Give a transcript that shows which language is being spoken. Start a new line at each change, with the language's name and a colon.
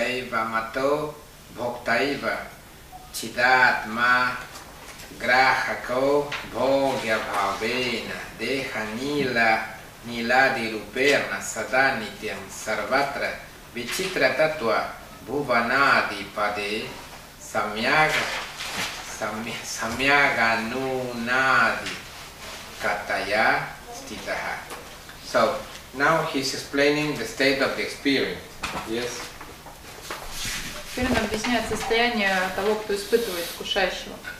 Sanskrit: Мато Бхоктаива Чидатма Грахако Богья Бхавена Деха Нила Нилади Руперна Саданитям Сарватра Вичитра Татва Бхуванади Паде Самьяга Самьяга Нунади Катая Ститаха.
English: So, now he's explaining the state of the experience. Yes.
Russian: Теперь он объясняет состояние того, кто испытывает вкушающего.